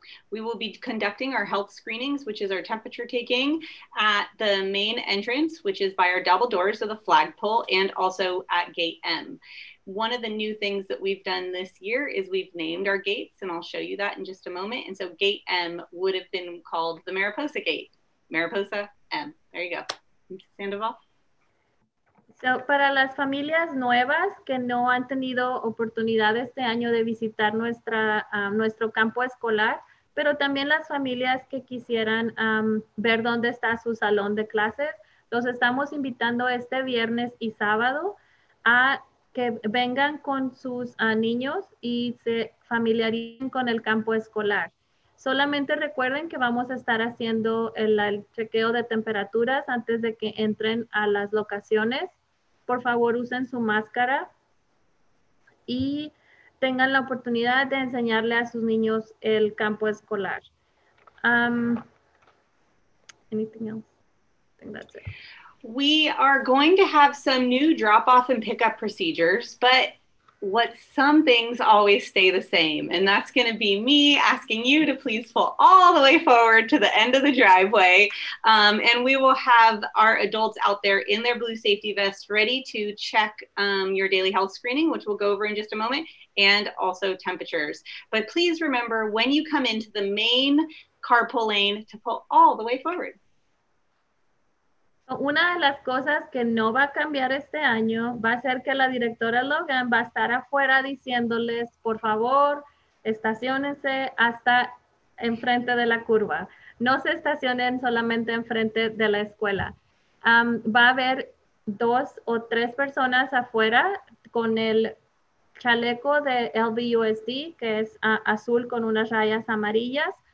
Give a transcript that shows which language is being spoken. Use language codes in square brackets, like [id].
[en] We will be conducting our health screenings, which is our temperature taking, at the main entrance, which is by our double doors of the flagpole, and also at Gate M. One of the new things that we've done this year is we've named our gates, and I'll show you that in just a moment. And so Gate M would have been called the Mariposa Gate. Mariposa M. There you go. Sandoval. [es] So, para las familias nuevas que no han tenido oportunidad este año de visitar nuestro campo escolar, pero también las familias que quisieran ver dónde está su salón de clases, los estamos invitando este viernes y sábado a que vengan con sus niños y se familiaricen con el campo escolar. Solamente recuerden que vamos a estar haciendo el chequeo de temperaturas antes de que entren a las locaciones. Por favor, usen su máscara y tengan la oportunidad de enseñarle a sus niños el campo escolar. [en] Anything else? I think that's it. We are going to have some new drop-off and pickup procedures, but what some things always stay the same, and that's going to be me asking you to please pull all the way forward to the end of the driveway, and we will have our adults out there in their blue safety vests ready to check your daily health screening, which we'll go over in just a moment, and also temperatures. But please remember, when you come into the main carpool lane, to pull all the way forward. [es] Una de las cosas que no va a cambiar este año va a ser que la directora Logan va a estar afuera diciéndoles, por favor, estaciónense hasta enfrente de la curva. No se estacionen solamente enfrente de la escuela. Va a haber dos o tres personas afuera con el chaleco de LVUSD, que es azul con unas rayas amarillas.